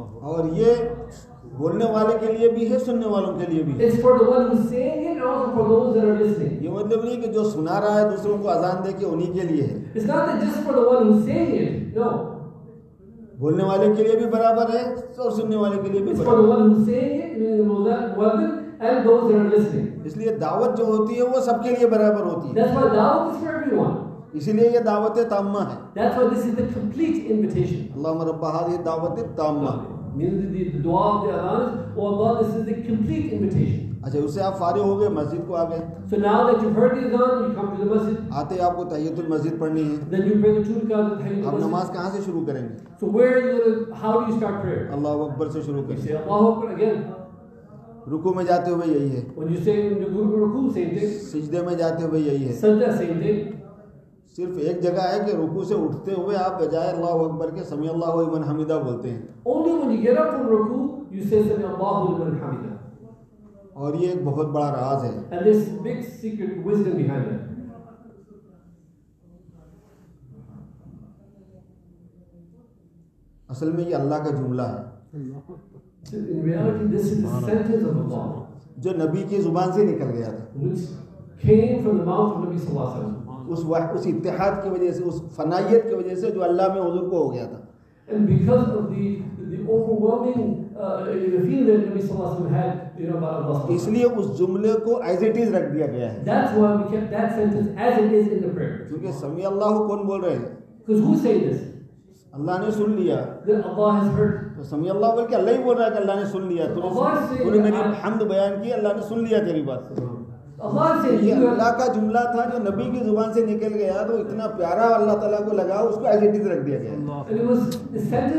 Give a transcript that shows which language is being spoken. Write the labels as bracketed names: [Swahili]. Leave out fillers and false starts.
[Hindi] और ये बोलने वाले के लिए भी है, सुनने वालों के लिए भी है। [English] It's for the one who's saying it and also for those that are listening. [Hindi] ये मतलब नहीं कि जो सुना रहा है दूसरों को अजान दे के उन्हीं के लिए है। [English] It's not that just for the one who's saying it. No. [Hindi] बोलने वाले के लिए भी बराबर है और सुनने वाले के लिए भी बराबर है। [English] It's for the one who's saying it, meaning the one and those that are listening. [Hindi] इसलिए दावत जो होती है वो सबके लिए बराबर होती है। [English] That's why da'wah is for everyone. [Hindi] इसीलिए ये दावत तामा है। [English] That's why this is the complete invitation. [Arabic] अल्लाह रब्बा हाजी दावत तामा। [English] Means the du'a of the adhan, oh Allah, this is the complete invitation. [Hindi] अच्छा, उससे आप फारिग हो गए, मस्जिद को आ गए। [English] So now that you've heard the adhan, you come to the masjid. [Hindi] आते आपको तहियतुल मस्जिद पढ़नी है। [English] Then you pray the two rakat tahiyatul [Hindi] masjid. अब नमाज कहाँ से शुरू करेंगे? [English] So where are you going to, how do you start prayer? [Hindi] अल्लाह अकबर से शुरू करेंगे। [Arabic] अल्लाह अकबर again. [Hindi] रुकू में जाते हुए यही है। [English] When you say in the rukoo, same thing. [Hindi] सिजदे में जाते हुए यही है। [English] सजदा, same thing. [Hindi] सिर्फ एक जगह है कि रुकू से उठते हुए आप बजाय अल्लाह अकबर के [Arabic] समी अल्लाह लिमन हमीदा [Hindi] बोलते हैं। [English] Only when you get up from rukoo, you say [Arabic] समी अल्लाह लिमन हमीदा। [Hindi] और ये एक बहुत बड़ा राज है। [English] And this big secret wisdom behind it. [Hindi] असल में ये अल्लाह का जुमला है। [English] In reality, this is the sentence of Allah. [Hindi] जो नबी की जुबान से निकल गया था। [English] Which came from the mouth of Nabi sallallahu alaihi wasallam. [Hindi] उस वह उस इत्तेहाद की वजह से, उस फनायत की वजह से जो अल्लाह में हुजूर को हो गया था। [English] And because of the overwhelming feeling that Nabi sallallahu alaihi wasallam had, about Allah. [Hindi] इसलिए उस जुमले को [English] as it is [Hindi] रख दिया गया है। [English] That's why we kept that sentence as it is in the prayer. [Hindi] क्योंकि समी अल्लाह कौन बोल रहे हैं? [English] Because who say this? [Hindi] अल्लाह ने सुन लिया। [English] Then Allah has heard. [Hindi] समी अल्लाह बोल के अल्लाह ही बोल रहा है कि अल्लाह ने सुन लिया, तूने मेरी हमद बयान की, अल्लाह ने सुन लिया तेरी बात। अल्लाह का जुमला था जो नबी की जुबान से निकल गया, तो इतना प्यारा अल्लाह ताला को लगा, उसको [English] as it is [Hindi] रख दिया गया।